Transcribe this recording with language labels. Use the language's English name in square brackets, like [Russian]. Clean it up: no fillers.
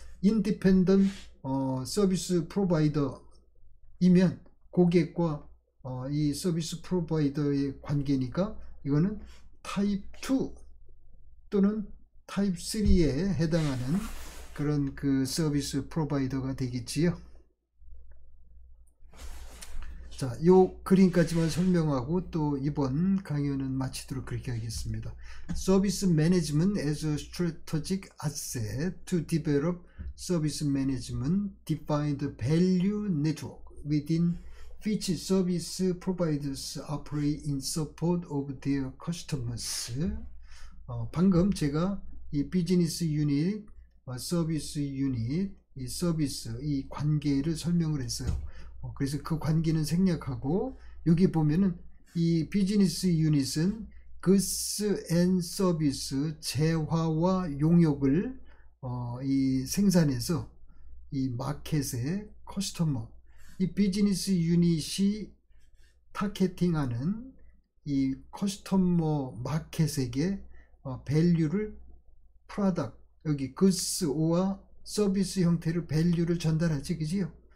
[Korean] 인디펜던트 서비스 프로바이더이면 고객과 이 서비스 프로바이더의 관계니까 이거는 타입 2 또는 타입 3에 해당하는 그런 그 서비스 프로바이더가 되겠지요. 자, 요 그림까지만 설명하고 또 이번 강연은 마치도록 그렇게 하겠습니다. [English] Service Management as a Strategic Asset to Develop Service Management Defined Value Network within which service providers operate in support of their customers. [Korean] 방금 제가 이 비즈니스 유닛, 서비스 유닛, 이 서비스 이 관계를 설명을 했어요. 그래서 그 관계는 생략하고 여기 보면은 이 비즈니스 유닛은 goods and service 재화와 용역을 이 생산해서 이 마켓의 커스터머, 이 비즈니스 유닛이 타겟팅하는 이 커스터머 마켓에게 밸류를 프로덕트, 여기 goods 오어 서비스 형태로 밸류를 전달하지, 그지요?